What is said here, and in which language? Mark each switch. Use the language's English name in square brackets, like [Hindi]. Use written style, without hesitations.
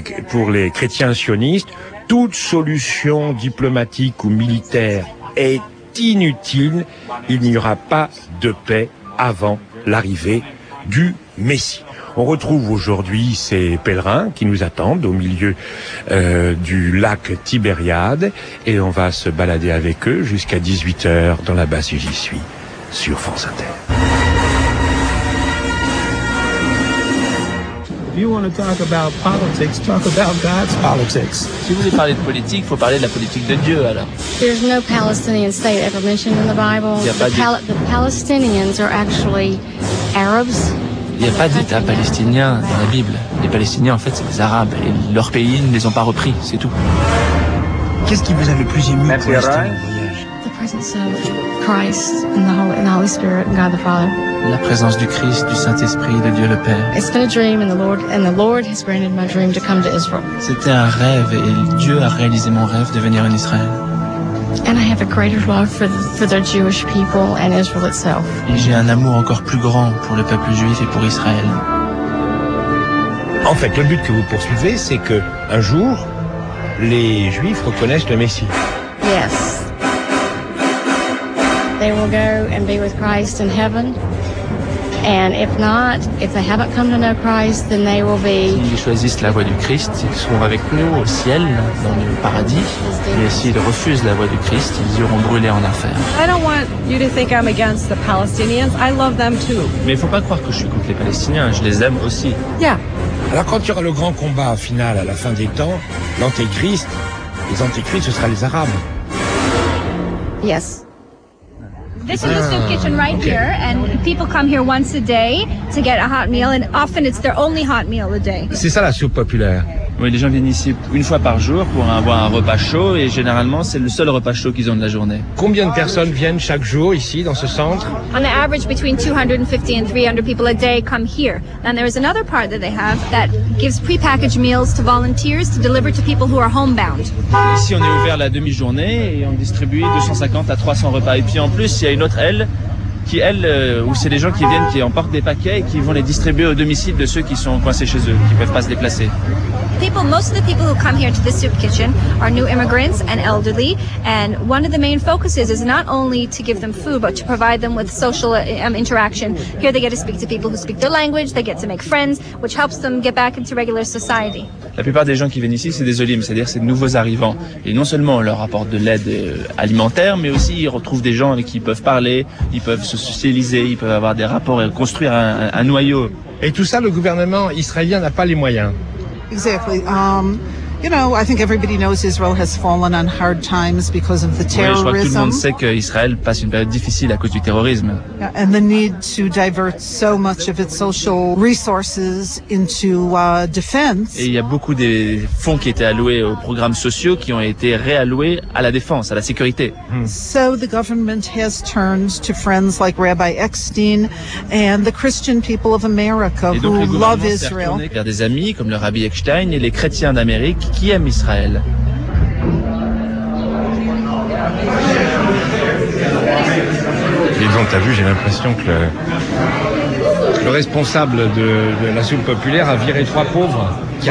[French] Pour les chrétiens sionistes, toute solution diplomatique ou militaire est inutile, il n'y aura pas de paix avant l'arrivée du Messie. On retrouve aujourd'hui ces pèlerins qui nous attendent au milieu du lac Tibériade, et on va se balader avec eux jusqu'à 18h dans la base où j'y suis, sur France Inter. [English] If you want to talk about politics, talk about God's politics. [French] Si vous voulez parler de politique, il faut parler de la politique de Dieu, alors. [English] There's no Palestinian state ever mentioned in the Bible. The Palestinians are actually Arabs. [French] Il n'y a pas d'État palestinien dans la Bible. Les Palestiniens, en fait, c'est des Arabes. Et leur pays ne les ont pas repris, c'est tout. Qu'est-ce qui vous a le plus ému pour l'histoire du voyage? [English] The presence of Christ and the Holy Spirit and God the Father. [French] La présence du Christ, du Saint-Esprit et de Dieu le Père. [English] It's been a dream and the Lord has granted my dream to come to Israel. [French] C'était un rêve et Dieu a réalisé mon rêve de venir en Israël. [English] And I have a greater love for the Jewish people and Israel itself. [French] Et j'ai un amour encore plus grand pour le peuple juif et pour Israël. En fait, le but que vous poursuivez, c'est que un jour les Juifs reconnaissent le Messie. [English] Yes. They will go and be with Christ in heaven. And if not, if they haven't come to know Christ, then they will be. [French] S'ils choisissent la voie du Christ, ils seront avec nous au ciel, dans le paradis. Et s'ils refusent la voie du Christ, ils iront brûler en enfer. [English] I don't want you to think I'm against the Palestinians. I love them too. [French] Mais il ne faut pas croire que je suis contre les Palestiniens. Je les aime aussi. [English] Yeah. [French] Alors quand il y aura le grand combat final à la fin des temps, l'antéchrist, les antéchrists, ce sera les Arabes. [English] Yes. This is the soup kitchen right here, and people come here once a day to get a hot meal, and often it's their only hot meal a day. [French] C'est ça la soupe populaire. Oui, les gens viennent ici une fois par jour pour avoir un repas chaud, et généralement c'est le seul repas chaud qu'ils ont de la journée. Combien de personnes viennent chaque jour ici dans ce centre? [English] On the average, between 250 and 300 people a day come here. And there is another part that they have that gives prepackaged meals to volunteers to deliver to people who are homebound. [French] Ici on est ouvert la demi-journée et on distribue 250 à 300 repas. Et puis en plus il y a une autre aile qui, elle, où c'est les gens qui viennent, qui emportent des paquets et qui vont les distribuer au domicile de ceux qui sont coincés chez eux, qui ne peuvent pas se déplacer. [English] People, most of the people who come here to the soup kitchen are new immigrants and elderly, and one of the main focuses is not only to give them food, but to provide them with social interaction. Here they get to speak to people who speak their language, they get to make friends, which helps them get back into regular society. [French] La plupart des gens qui viennent ici, c'est des olim, c'est-à-dire c'est de nouveaux arrivants. Et non seulement on leur apporte de l'aide alimentaire, mais aussi ils retrouvent des gens avec qui ils peuvent parler, ils peuvent se socialiser, ils peuvent avoir des rapports et construire un noyau. Et tout ça, le gouvernement israélien n'a pas les moyens. [English] Exactly. You know, I think everybody knows Israel has fallen on hard times because of the terrorism. [French] Oui, je crois que tout le monde sait qu'Israël passe une période difficile à cause du terrorisme. [English] Yeah, and the need to divert so much of its social resources into defense. [French] Et il y a beaucoup des fonds qui étaient alloués aux programmes sociaux qui ont été réalloués à la défense, à la sécurité. [English] So the government has turned to friends like Rabbi Eckstein and the Christian people of America who love Israel. [French] Et donc le gouvernement s'est tourné vers des amis comme le Rabbi Eckstein et les chrétiens d'Amérique qui aime Israël. Et donc, t'as vu, j'ai l'impression que le responsable de la soupe populaire a viré trois pauvres qui